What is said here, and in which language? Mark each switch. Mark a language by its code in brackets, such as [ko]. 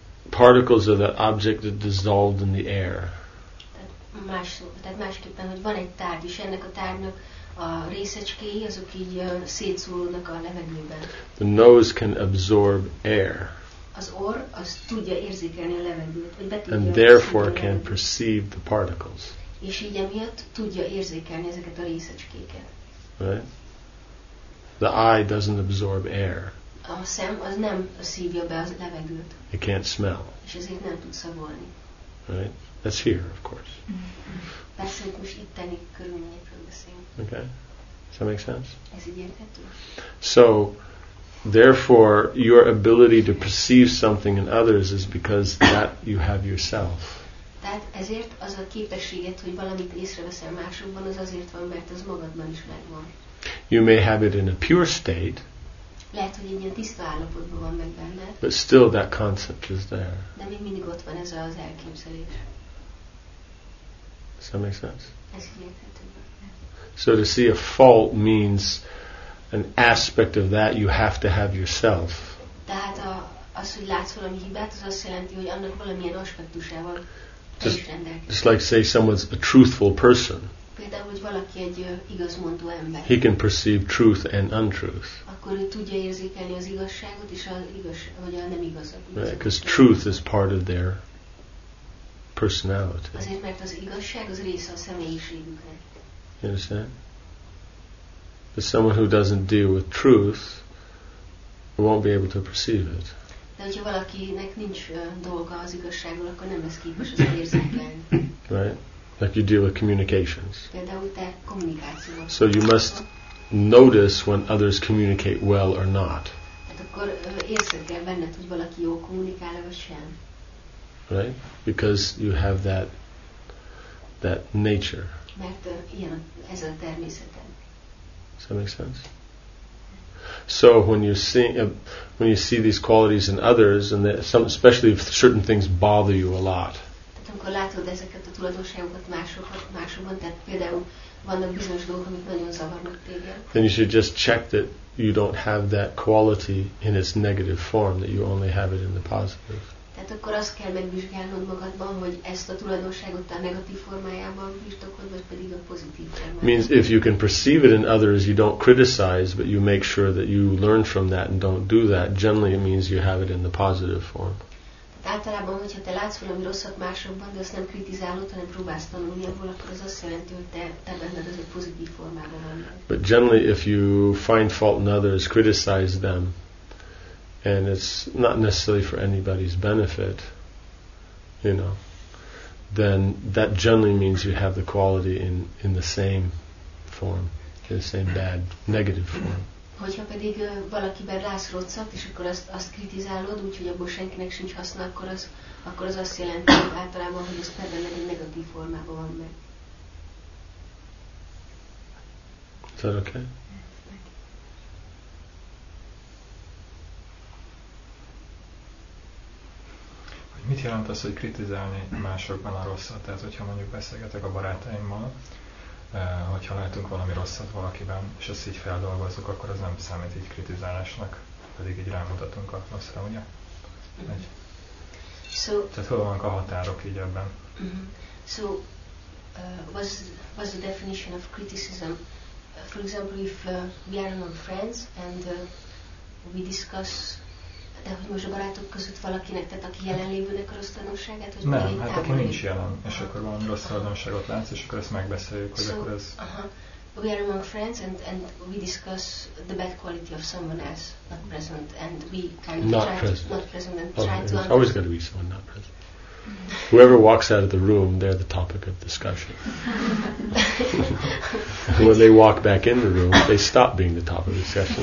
[en] Particles of that object that dissolved in the air. [hu] Tehát másképpen, hogy van egy tárgy, és ennek a tárgynak a részecskéi, azok így szétszólódnak a levegőben. [en] The nose can absorb air. [hu] Az orr, az tudja érzékelni a levegőt. Vagy be tudja. [en] And therefore can perceive the particles. [hu] És így emiatt tudja érzékelni ezeket a részecskéket. [en] Right? The eye doesn't absorb air. [hu] A szem, az nem szívja be a levegőt. [en] It can't smell. [hu] És ezért nem tud szagolni. [en] Right? That's here, of course. [hu] Persze, hogy most itteni körülményekről beszélünk. [en] Okay, does that make sense? So, therefore, your ability to perceive something in others is because that you have yourself. [hu] Tehát ezért az a képességet, hogy valamit észreveszel másokban, az azért van, mert az magadban is megvan. [en] You may have it in a pure state. [hu] Lehet, hogy egy ilyen tiszta állapotban van meg benned. [en] But still, that concept is there. [hu] De még mindig ott van ez az elképzelés. [en] Does that make sense? [hu] Ez így érthető. [en] So to see a fault means an aspect of that you have to have yourself. [hu] Tehát az, hogy látsz valami hibát, az azt jelenti, hogy annak valamilyen aspektusával rendelkezik. [en] Just like say someone's a truthful person. [hu] Például, hogy valaki egy igazmondó ember. [en] He can perceive truth and untruth. [hu] Akkor ő tudja érzékelni az igazságot és az igaz, vagy a nem igazat. [en] Because truth is part of their personality. [hu] Azért, mert az igazság az része a személyiségüknek. [en] You understand? But someone who doesn't deal with truth won't be able to perceive it. [hu] De hogyha valakinek nincs dolga az igazságról, akkor nem lesz képes az érzékelni. [en] Right? Like you deal with communications. [hu] Például te kommunikációval. [en] So you must notice when others communicate well or not. [hu] Hát akkor érzékel benned, hogy valaki jól kommunikál-e vagy sem. [en] Right? Because you have that nature. [hu] Mert ilyen, ez a természetem. [en] Does that make sense? So when you see these qualities in others, and especially if certain things bother you a lot. [hu] Tehát amikor látod ezeket a tulajdonságokat másokban, tehát például vannak bizonyos dolgok, amik nagyon zavarnak téged. [en] Then you should just check that you don't have that quality in its negative form, that you only have it in the positive. [hu] Tehát akkor azt kell megvizsgálnod magadban, hogy ezt a tulajdonságot a negatív formájában birtokod, vagy pedig a pozitív formájában. [en] Means if you can perceive it in others, you don't criticize, but you make sure that you learn from that and don't do that. Generally it means you have it in the positive form. [hu] Tehát általában, hogyha te látsz valami rosszat másokban, de azt nem kritizálod, hanem próbálsz tanulni abból, akkor az azt jelenti, hogy te benned az egy pozitív formában van. [en] But generally if you find fault in others, criticize them, and it's not necessarily for anybody's benefit, you know, then that generally means you have the quality in the same form, in the same bad, negative form. [hu] Hogyha pedig valakiben rász rosszat, és akkor azt kritizálod, úgyhogy abból senkinek sincs haszna, akkor az azt jelenti általában, hogy ez pedig egy negatív formában van meg. [en] Is that okay? [hu] Mit jelent az, hogy kritizálni másokban a rosszat? Tehát, hogyha mondjuk beszélgetek a barátaimmal, hogyha látunk valami rosszat valakiben, és ezt így feldolgozzuk, akkor az nem számít így kritizálásnak, pedig így rámutatunk a rosszra, ugye? Tehát hol vannak a határok így ebben? [en] So, what's the definition of criticism? For example, if we are not friends and we discuss [hu] De hogy most a barátok között valakinek, tehát aki jelenlévőnek a rossz tulajdonságát, hogy nem, hát akkor nincs jelen, és akkor van rossz tulajdonságot látsz, és akkor ezt megbeszéljük, hogy akkor ez... [en] We are among friends and we discuss the bad quality of someone else, not present, and we kind of not try present. To, not present and oh, try to understand. Always got to be someone not present. Whoever walks out of the room, they're the topic of discussion. When they walk back in the room, they stop being the topic of discussion.